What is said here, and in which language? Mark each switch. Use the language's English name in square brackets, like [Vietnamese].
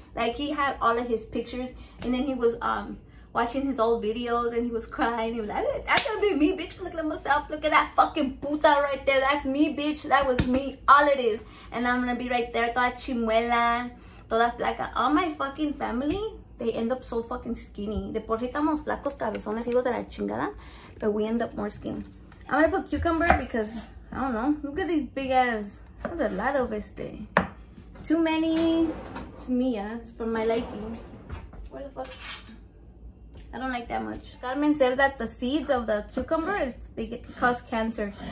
[English] Like, he had all of his pictures. And then he was, watching his old videos, and he was crying. He was like, that's gonna be me, bitch. Look at myself. Look at that fucking puta right there. That's me, bitch. That was me. All it is. And I'm gonna be right there, [Spanish] toda chimuela, toda flaca. [English] All my fucking family, they end up so fucking skinny. [Spanish] De por si estamos flacos, cabezones, hijos de la chingada. [English] But we end up more skinny. I'm gonna put cucumber because, I don't know. Look at these big ass. That's a lot of este. Too many semillas for my liking. Where the fuck? I don't like that much. Carmen said that the seeds of the cucumber, they cause cancer.